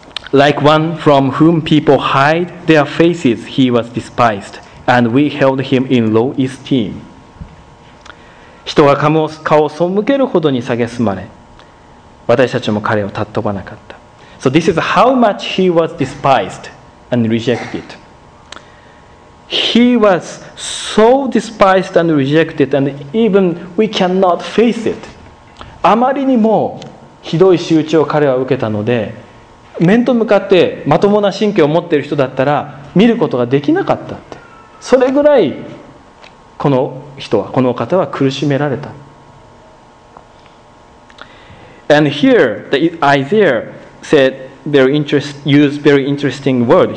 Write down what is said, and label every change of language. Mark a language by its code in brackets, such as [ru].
[en] Like one from whom people hide their faces, he was despised, and we held him in low esteem. [ja] 人が顔を背けるほどに蔑まれ、私たちも彼を尊ばなかった。 [en] So this is how much he was despised and rejected. He was so despised and rejected, and even we cannot face it. [ja] あまりにもひどい仕打ちを彼は受けたので、面と向かってまともな神経を持っている人だったら見ることができなかったって。それぐらいこの人は、この方は苦しめられた。 [en] And here, the Isaiah said very used very interesting word.